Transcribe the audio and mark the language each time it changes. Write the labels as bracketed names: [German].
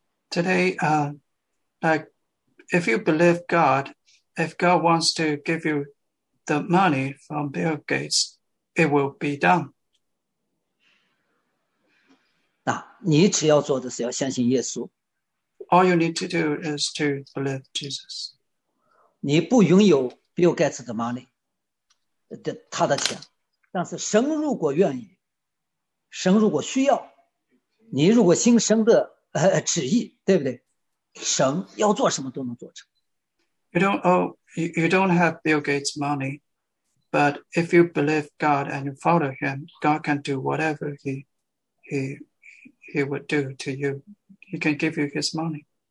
[English] Today, like if you believe God, if God wants to give you the money from Bill Gates, it will be done. [Chinese] 那你只要做的是要相信耶稣。 [English] All you need to do is to believe Jesus. [Chinese] 你不拥有 Bill Gates 的 money, 他的钱，但是神如果愿意。神如果需要，你如果心生的旨意，对不对？神要做什么都能做成。 [English] You don't owe, you don't have Bill Gates' money, but if you believe God and you follow Him, God can do whatever He would do to you. He can give you His money.